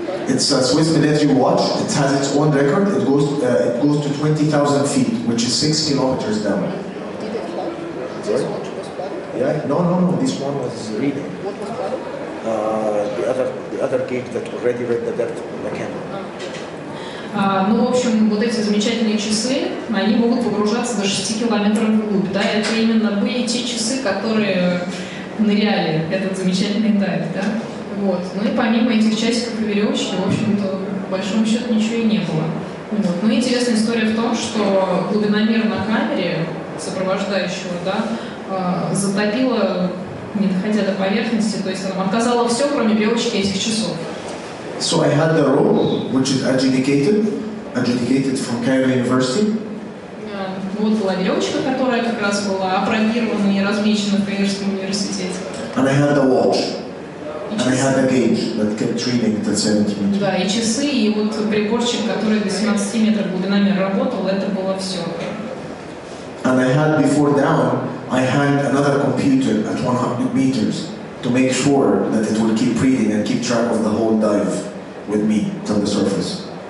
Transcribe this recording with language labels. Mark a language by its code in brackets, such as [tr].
[en] It's a Swiss military watch. It has its own record. It goes to 20,000 feet, which is 6 kilometers down. Did it flood? This watch was flooded? Yeah. No. This one was reading. What was flooded? The other gauge that already read the depth on the camera. [ru] Ну, в общем, вот эти замечательные часы, они могут погружаться до 6 километров вглубь. Да, это именно были те часы, которые ныряли этот замечательный дайв, да? Вот. Ну и помимо этих часиков и веревочки, в общем-то, по большому счету ничего и не было. Вот. Ну и интересная история в том, что глубиномер на камере сопровождающего, да, затопило, не доходя до поверхности, то есть она отказала все, кроме веревочки этих часов. [en] So I had the rope, which is adjudicated from Cairo University. [ru] Вот была веревочка, которая как раз была апробирована и размечена в Каирском университете. [en] And I had the watch. And I had a gauge that kept reading the 70 meters. [ru] Да, и часы, и вот приборчик, который до 17 метров глубинами работал, это было все. [en] And I had before down, I had another computer at 100 meters to make sure that it would keep reading and keep track of the whole dive with me till the surface.